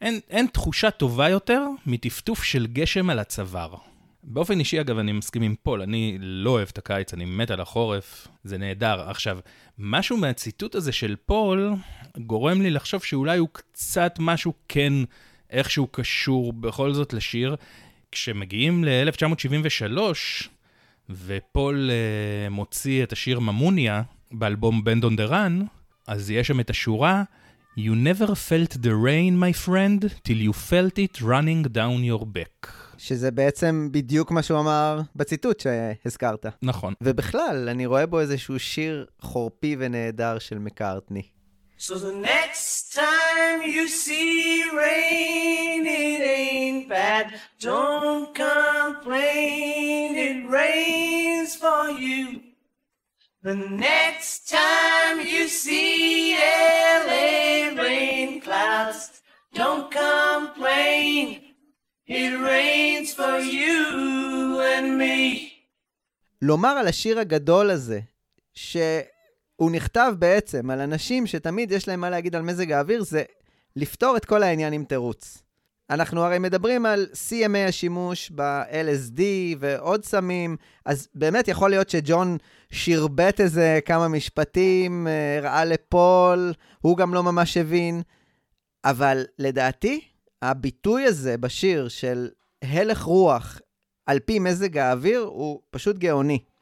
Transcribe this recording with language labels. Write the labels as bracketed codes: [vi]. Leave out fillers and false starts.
[he] אין תחושה טובה יותר מטפטוף של גשם על הצוואר. באופן אישי אגב אני מסכים עם פול, אני לא אוהב את הקיץ, אני מת על החורף, זה נהדר. עכשיו, משהו מהציטוט הזה של פול גורם לי לחשוב שאולי הוא קצת משהו כן איכשהו קשור בכל זאת לשיר. כשמגיעים ל-1973 ופול מוציא את השיר ממוניה באלבום Band on the Run, אז יש שם את השורה [en] You never felt the rain, my friend, till you felt it running down your back. [he] שזה בעצם בדיוק מה שהוא אמר בציטוט שהזכרת. נכון. ובכלל, אני רואה בו איזשהו שיר חורפי ונהדר של מקארטני. [en] So the next time you see rain, it ain't bad. Don't complain, it rains for you. The next time you see LA rain clouds, don't complain, it rains for you and me. [he] לומר על השיר הגדול הזה, ש הוא נכתב בעצם על אנשים שתמיד יש להם מה להגיד על מזג האוויר, זה לפתור את כל העניין עם תירוץ. אנחנו הרי מדברים על CMA השימוש ב-LSD ועוד סמים, אז באמת יכול להיות שג'ון שירבט איזה כמה משפטים, ראה לפול, הוא גם לא ממש הבין, אבל לדעתי, הביטוי הזה בשיר של הלך רוח על פי מזג האוויר הוא פשוט גאוני.